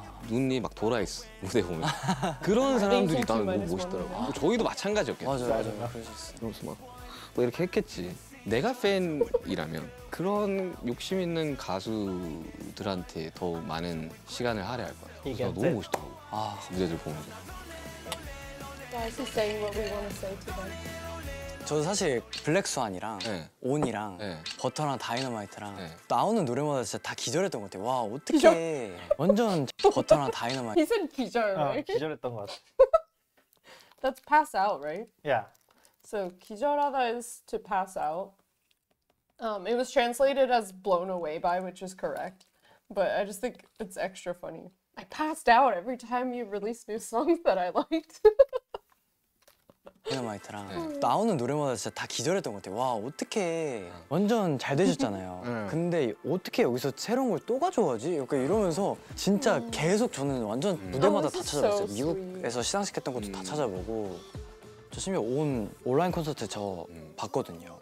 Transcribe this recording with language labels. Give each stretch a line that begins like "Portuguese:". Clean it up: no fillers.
Korean: 눈이 막 돌아 있어 무대 보면 그런 사람들이 나 너무 멋있더라고. 아. 저희도 마찬가지였겠죠. 맞아요, 맞아요. 그러셨어. 그러면서 막 뭐 이렇게 했겠지. 내가 팬이라면 그런 욕심 있는 가수들한테 더 많은 시간을 할애할 것 같아. 그래서 너무 멋있더라고. 아, 무대들 보면서.
English: Guys, he's saying what we want to say to them.
Korean: 저도 사실 블랙스완이랑 네. 온이랑 네. 버터랑 다이너마이트랑 네. 나오는 노래마다 진짜 다 기절했던 것 같아요. 와 어떻게 기절? 완전 버터랑 다이너마이트
English: He said 기절, right?
Korean: 기절했던 것 같아.
English: That's pass out, right? Yeah. So 기절하다 is to pass out. It was translated as blown away by, which is correct. But I just think it's extra funny. I passed out every time you released new songs that I liked.
Korean: 다이너마이트랑 네. 나오는 노래마다 진짜 다 기절했던 것 같아요. 와 어떻게 완전 잘 되셨잖아요. 근데 어떻게 여기서 새로운 걸 또 가져와지? 이렇게 이러면서 진짜 계속 저는 완전 무대마다 다 찾아봤어요.
English: So
Korean: 미국에서 시상식 했던 것도 다 찾아보고 저 심지어 온 온라인 콘서트 저 봤거든요.